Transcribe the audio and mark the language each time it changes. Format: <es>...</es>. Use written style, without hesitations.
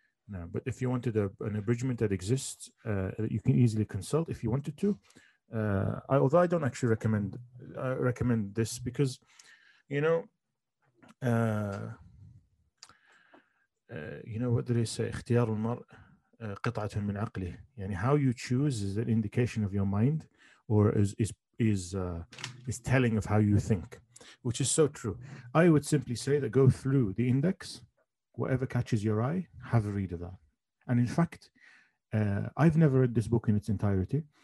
<en>Now, but if you wanted an abridgment that exists, you can easily consult if you wanted to. Although I don't actually recommend this, because, you know, what do they say?</en> <ar>اختيار المرء قطعة من عقله.</ar> <en>يعني how you choose is an indication of your mind, or is telling of how you think, which is so true. I would simply say that go through the index, whatever catches your eye, have a read of that. And in fact, I've never read this book in its entirety.</en>